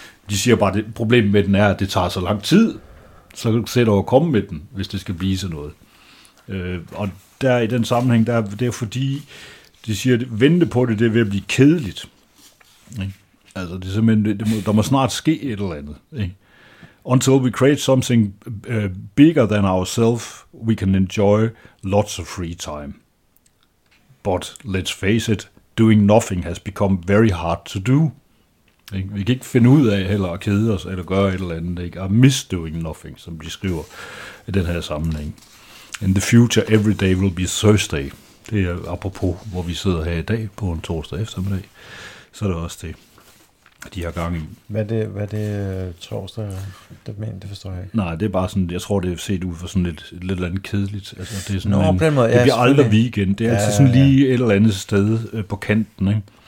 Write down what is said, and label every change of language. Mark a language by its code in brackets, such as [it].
[da] De siger bare, at problemet med den er, at det tager så lang tid, så sætter du at komme med den, hvis det skal blive sådan noget. Og der i den sammenhæng, der, det er fordi, de siger, at vente på det, det er ved at blive kedeligt. Ikke? Altså, det er simpelthen, der må snart ske et eller andet. Ikke? [en] Until we create something bigger than ourselves, we can enjoy lots of free time. But let's face it, doing nothing has become very hard to do. [da] Vi kan ikke finde ud af heller at kede os, eller gøre et eller andet. Ikke? [en] I miss doing nothing, [da] som de skriver i den her sammenhæng. [en] In the future, every day will be Thursday. [da] Det er apropos, hvor vi sidder her i dag på en torsdag eftermiddag. Så er det også det, de har gang i. Hvad er det torsdag? Det mener, det forstår jeg ikke. Nej, det er bare sådan, jeg tror, det er set ud for sådan lidt andet kedeligt. Altså, det er sådan, nå, på den måde, det bliver aldrig weekend. Det er altså sådan lige et eller andet sted på kanten, ikke?